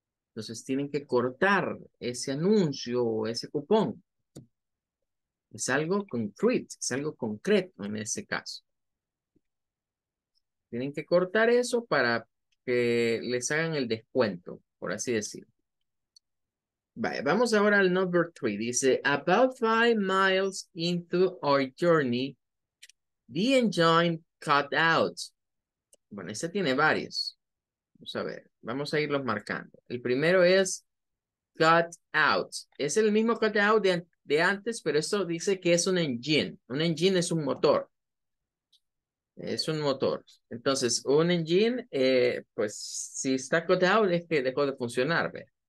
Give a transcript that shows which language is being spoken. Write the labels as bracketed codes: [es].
[es] Entonces tienen que cortar ese anuncio o ese cupón. Es algo concreto, es algo concreto en ese caso. Tienen que cortar eso para que les hagan el descuento, por así decirlo. Vale, vamos ahora al number three. Dice, [en] about 5 miles into our journey, the engine cut out. [es] Bueno, este tiene varios. Vamos a ver, vamos a irlos marcando. El primero es cut out. Es el mismo cut out de antes, pero esto dice que es un engine. Un engine es un motor. Es un motor. Entonces, un engine, pues si está cut out, es que dejó de funcionar, ¿ve?